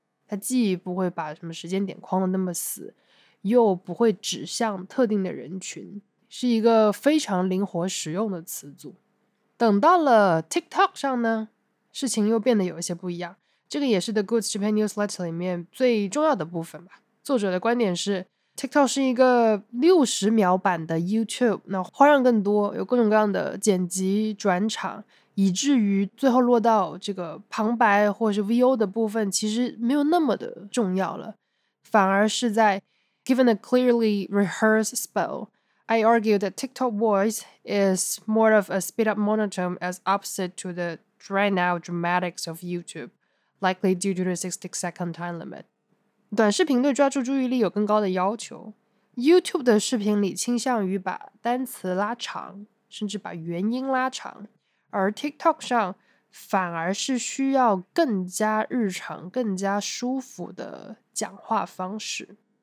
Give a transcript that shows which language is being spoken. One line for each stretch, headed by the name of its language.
Chinese: 它既不会把什么时间点框的那么死，又不会指向特定的人群，是一个非常灵活实用的词组。等到了 TikTok 上呢，事情又变得有一些不一样。这个也是 The Goods 这篇 newsletter 里面最重要的部分吧。作者的观点是 TikTok 是一个60秒版的 YouTube， 那花样更多，有各种各样的剪辑转场，以至于最后落到这个旁白或是 VO 的部分其实没有那么的重要了，反而是在
English: given a clearly rehearsed spell，I argue that TikTok voice is more of a speed-up monotone as opposite to the drawn-out dramatics of YouTube, likely due to the 60-second time limit.
Chinese: 短视频对抓住注意力有更高的要求。YouTube 的视频里倾向于把单词拉长，甚至把元音拉长，而 TikTok 上反而是需要更加日常、更加舒服的讲话方式。